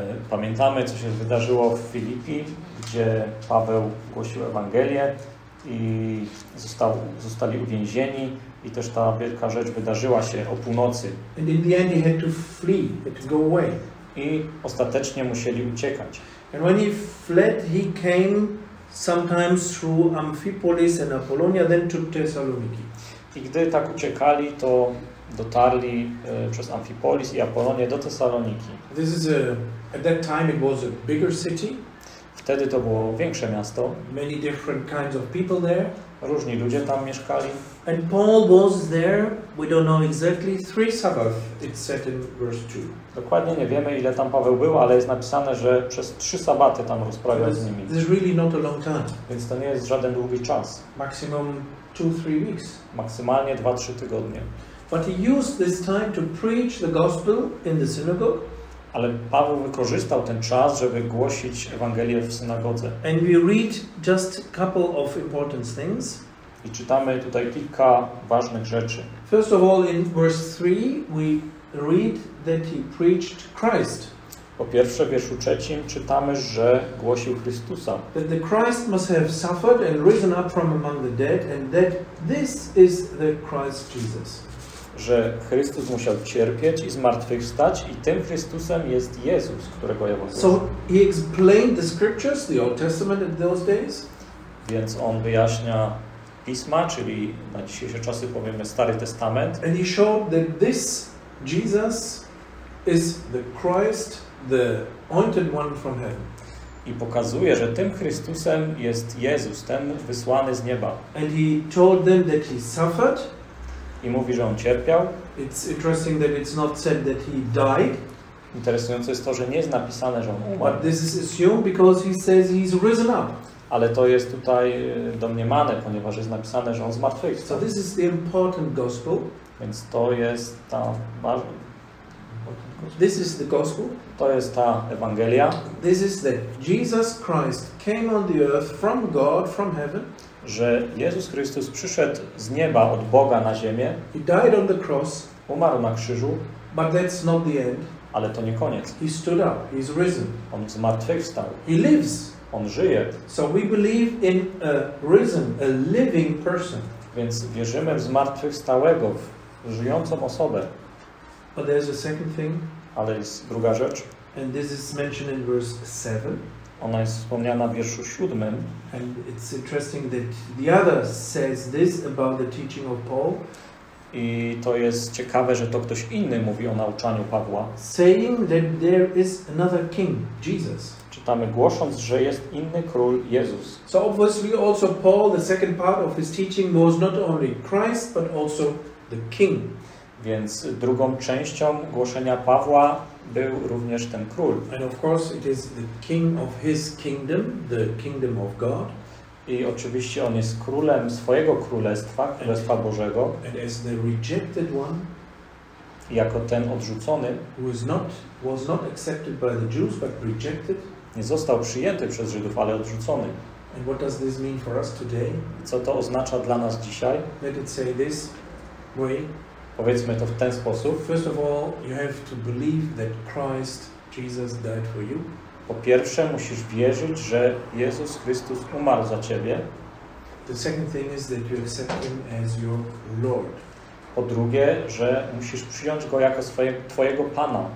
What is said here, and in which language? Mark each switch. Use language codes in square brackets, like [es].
[pl] Pamiętamy, co się wydarzyło w Filipii, gdzie Paweł głosił Ewangelię i zostali uwięzieni. I też ta wielka rzecz wydarzyła się o północy. [en] And in the end he had to flee, had to go away. [pl] I ostatecznie musieli uciekać. [en] And when he fled, he came sometimes through Amphipolis and Apollonia, then to Thessaloniki. [pl] I gdy tak uciekali, to dotarli przez Amphipolis i Apollonię do Thessaloniki. [en] This is at that time it was a bigger city. [pl] Wtedy to było większe miasto. [en] Many different kinds of people there. [pl] Różni ludzie tam mieszkali. [en] And Paul was there, we don't know exactly, three Sabbaths, it's said in verse 2. [pl] Dokładnie nie wiemy, ile tam Paweł był, ale jest napisane, że przez trzy sabaty tam rozprawiał z nimi. [en] This is really not a long time. [pl] Więc to nie jest żaden długi czas. [en] Maximum 2-3 weeks. [pl] Maksymalnie 2-3 tygodnie. [en] But he used this time to preach the gospel in the synagogue. [pl] Ale Paweł wykorzystał ten czas, żeby głosić Ewangelię w synagodze. [en] And we read just a couple of important things. [pl] I czytamy tutaj kilka ważnych rzeczy. [en] First of all, in verse 3 we read that he preached Christ. [pl] Po pierwsze, w wierszu trzecim czytamy, że głosił Chrystusa. [en] That the Christ must have suffered and risen up from among the dead, and that this is the Christ Jesus. [pl] Że Chrystus musiał cierpieć i zmartwychwstać i tym Chrystusem jest Jezus, którego ja głoszę. [en] So he explained the scriptures, the Old Testament in those days. [pl] Więc on wyjaśnia Pisma, czyli na dzisiejsze czasy powiemy Stary Testament. [en] And he showed that this Jesus is the Christ, the anointed one from heaven. [pl] I pokazuje, że tym Chrystusem jest Jezus, ten wysłany z nieba. [en] And he told them that he suffered. [pl] I mówi, że on cierpiał. [en] It's interesting that it's not said that he died. [pl] Interesujące jest to, że nie jest napisane, że on umarł. [en] But this is assumed because he says he's risen up. [pl] Ale to jest tutaj domniemane, ponieważ jest napisane, że on zmartwychwstał. [en] So this is the important gospel. [pl] Więc to jest ta ważna. [en] This is the gospel. [pl] To jest ta Ewangelia. [en] This is that Jesus Christ came on the earth from God, from heaven. [pl] Że Jezus Chrystus przyszedł z nieba, od Boga na ziemię. [en] He died on the cross. [pl] Umarł na krzyżu. [en] But that's not the end. [pl] Ale to nie koniec. [en] He stood up. He's risen. [pl] On zmartwychwstał. [en] He lives. [pl] On żyje. [en] So we believe in a risen, a living person. [pl] Więc wierzymy w zmartwychwstałego, w żyjącą osobę. [en] But there's a second thing. [pl] Ale jest druga rzecz. [en] And this is mentioned in verse 7. [pl] Ona jest wspomniana w wierszu 7. [en] And it's interesting that the other says this about the teaching of Paul. [pl] I to jest ciekawe, że to ktoś inny mówi o nauczaniu Pawła. [en] Saying that there is another king, Jesus. [pl] czytamy, głosząc, że jest inny król, Jezus. [en] So obviously also Paul, the second part of his teaching was not only Christ, but also the King. [pl] Więc drugą częścią głoszenia Pawła był również ten król. [en] And of course it is the King of his kingdom, the kingdom of God. [pl] I oczywiście on jest królem swojego królestwa, królestwa Bożego. [en] And as the rejected one, [pl] jako ten odrzucony, [en] was not accepted by the Jews, but rejected. [pl] Nie został przyjęty przez Żydów, ale odrzucony. [en] And what does this mean for us today? [pl] Co to oznacza dla nas dzisiaj? [en] Let it say this way. [pl] Powiedzmy to w ten sposób. [en] First of all, you have to believe that Christ Jesus died for you. [pl] Po pierwsze, musisz wierzyć, że Jezus Chrystus umarł za ciebie. [en] The second thing is that you accept him as your Lord. [pl] Po drugie, że musisz przyjąć go jako twojego Pana.